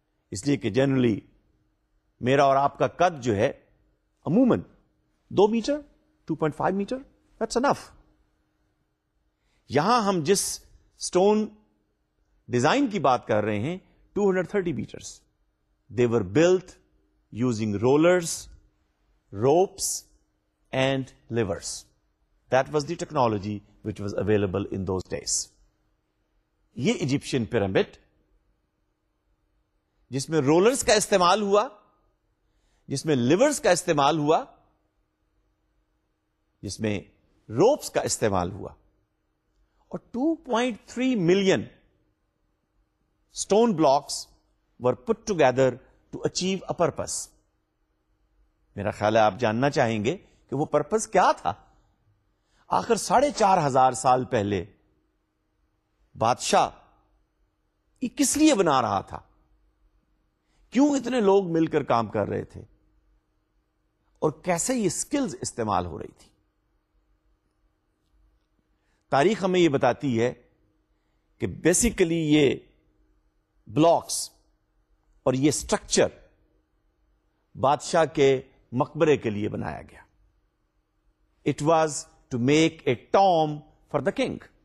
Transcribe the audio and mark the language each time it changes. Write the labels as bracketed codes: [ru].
[ur] اس لیے کہ جنرلی میرا اور آپ کا قد جو ہے عموماً 2 میٹر, 2.5 میٹر, [en] that's enough. [ur] یہاں ہم جس اسٹون ڈیزائن کی بات کر رہے ہیں 230 meters. [en] They were built using rollers, ropes and levers. That was the technology which was available in those days. [ur] یہ ایجپشن پیرامڈ جس میں رولرز کا استعمال ہوا, جس میں لیورز کا استعمال ہوا, جس میں روپس کا استعمال ہوا, اور [en] 2.3 million stone blocks were put together to achieve a purpose. [ur] میرا خیال ہے آپ جاننا چاہیں گے کہ وہ پرپس کیا تھا. آخر 4,500 پہلے بادشاہ یہ کس لیے بنا رہا تھا, کیوں اتنے لوگ مل کر کام کر رہے تھے اور کیسے یہ سکلز استعمال ہو رہی تھی. تاریخ ہمیں یہ بتاتی ہے کہ بیسیکلی یہ بلاکس اور یہ سٹرکچر بادشاہ کے مقبرے کے لیے بنایا گیا. [en] It was to make a tomb for the king.